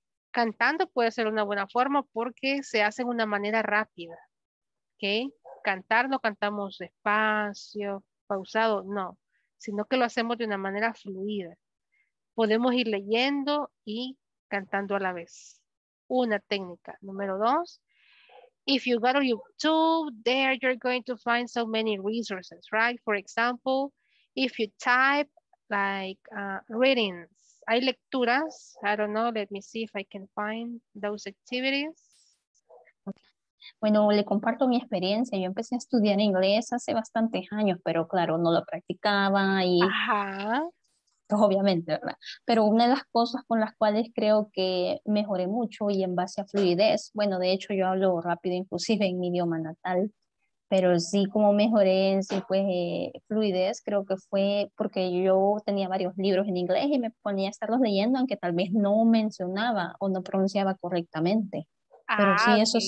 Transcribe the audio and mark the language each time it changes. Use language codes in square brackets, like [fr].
[es] Cantando puede ser una buena forma porque se hace de una manera rápida, okay? Cantar no cantamos despacio, pausado, no, sino que lo hacemos de una manera fluida. Podemos ir leyendo y cantando a la vez. Una técnica. Número dos, [en] if you go to YouTube, there you're going to find so many resources, right? For example, if you type like readings, [es] hay lecturas, [en] I don't know, let me see if I can find those activities. [es] Bueno, le comparto mi experiencia. Yo empecé a estudiar inglés hace bastantes años, pero claro, no lo practicaba y ajá. Pues obviamente, ¿verdad? Pero una de las cosas con las cuales creo que mejoré mucho y en base a fluidez, bueno, de hecho yo hablo rápido inclusive en mi idioma natal, pero sí como mejoré en sí, pues, fluidez, creo que fue porque yo tenía varios libros en inglés y me ponía a estarlos leyendo, aunque tal vez no mencionaba o no pronunciaba correctamente. Pero sí, eso okay.